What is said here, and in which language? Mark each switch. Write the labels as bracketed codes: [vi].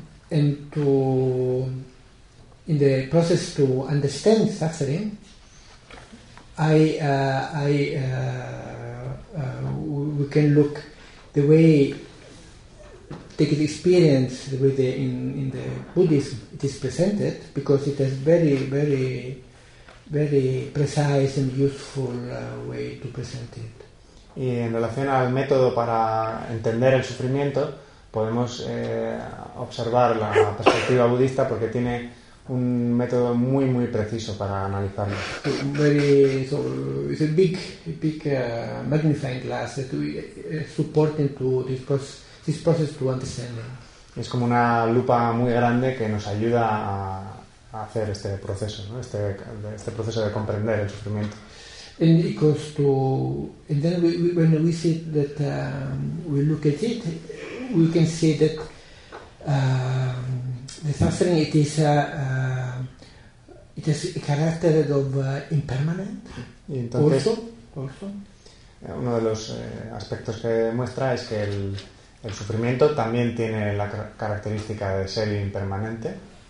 [en] And to in the process to understand suffering, we can look the way take the experience with the in the Buddhism it is presented, because it has very very very precise and useful way to present it. [es] Y en relación al método para entender el sufrimiento, podemos observar la perspectiva budista, porque tiene un método muy muy preciso para analizarlo. [en] Very, so it's a big magnifying glass that we support into this process to understand. [es] Es como una lupa muy grande que nos ayuda a hacer este proceso, ¿no? Este proceso de comprender el sufrimiento. [en] And it goes to, and then we, when we see that we look at it, we can see that the suffering, it is it has a character of impermanent. [es] Entonces, [en] also, [es] uno de los aspectos que demuestra es que el sufrimiento también tiene la característica de ser impermanente.